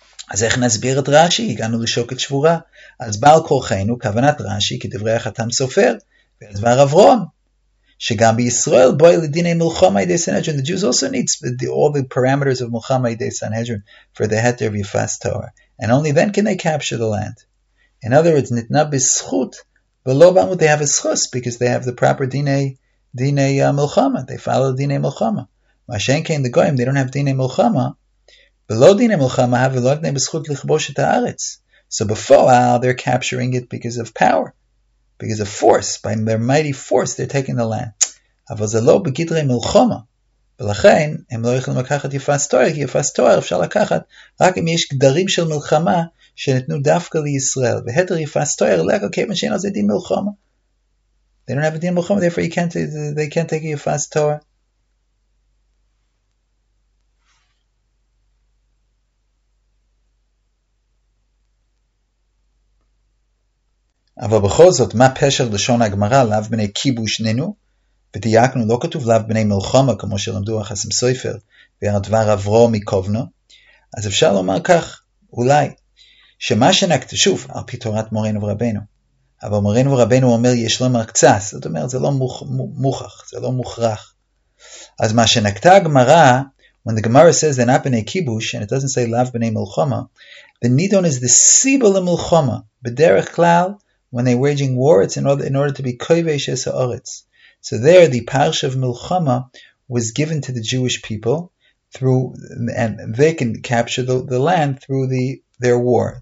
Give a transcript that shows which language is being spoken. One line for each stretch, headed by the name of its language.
Hebrew: אז איך נסביר את רש"י? הגענו לשוקת שבורה. אז בעל כורחנו, כוונת רש"י, כדברי החתם סופר, ודבר אברון, שגם בישראל בואי לדיני מלחמה ידי סנהדרין.
English: The Jews also need all the parameters of מלחמה ידי סנהדרין for the heter ויפס תורה. And only then can they capture the land. In other words,
Hebrew: ניתנה בזכות, ולא באמת,
English: they have a schus, because they have the proper דיני מלחמה. They follow דיני מלחמה.
Hebrew: מה שאין כן לגויים,
English: they don't have
Hebrew: דיני מלחמה, ולא דיני מלחמה, ולא ניתנה בזכות לכבוש את הארץ.
English: So before, they're capturing it because of power. Because of force, by their mighty force, they're taking the land.
Hebrew: אבל זה לא בגדרי מלחמה. ולכן, הם לא יכולים לקחת יפס תואר, כי יפס תואר אפשר לקחת רק אם יש גדרים של מלחמה שנתנו דווקא לישראל. והתר יפס תואר, לא כל כיוון שאין על זה דין מלחמה.
English: They don't have a דין מלחמה, therefore they can't take a יפס תואר.
Hebrew: אבל בכל זאת, מה פשר לשון הגמרא, לאו בני כיבוש ננו? ודייקנו, לא כתוב לאו בני מלחמה, כמו שלמדו החסם סופר, והדבר עברו מקובנו. אז אפשר לומר כך, אולי, שמה שנקט, שוב, על פי תורת מורינו ורבינו. אבל מורינו ורבינו אומר, יש לומר קצת, זאת אומרת, זה לא מוכח, זה לא מוכרח.
English: אז מה שנקטה הגמרא, when the Gemara says they're not בני כיבוש, and it doesn't say לאו בני מלחמה, the nidon is the סיבה למלחמה,
Hebrew: בדרך כלל,
English: when they're waging war, it's in order to be koivesh es ha'oretz. So there, the parsha of milchama was given to the Jewish people through, and they can capture the land through their war.